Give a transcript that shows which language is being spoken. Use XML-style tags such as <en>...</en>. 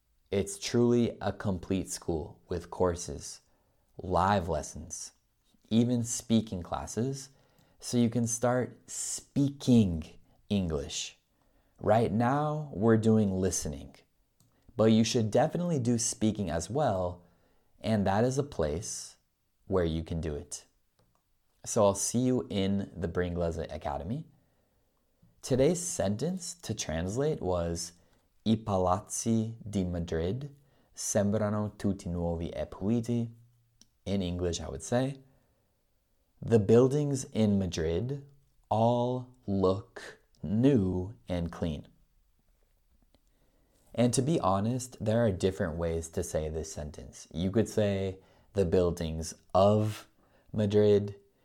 <en>It's truly a complete school with courses, live lessons, even speaking classes, so you can start speaking English. Right now, we're doing listening, but you should definitely do speaking as well, and that is a place where you can do it. So I'll see you in the Bringlese Academy. Today's sentence to translate was,</en> <it>I palazzi di Madrid sembrano tutti nuovi e puliti.</it> <en>In English, I would say, the buildings in Madrid all look new and clean. And to be honest, there are different ways to say this sentence. You could say the buildings of Madrid.</en>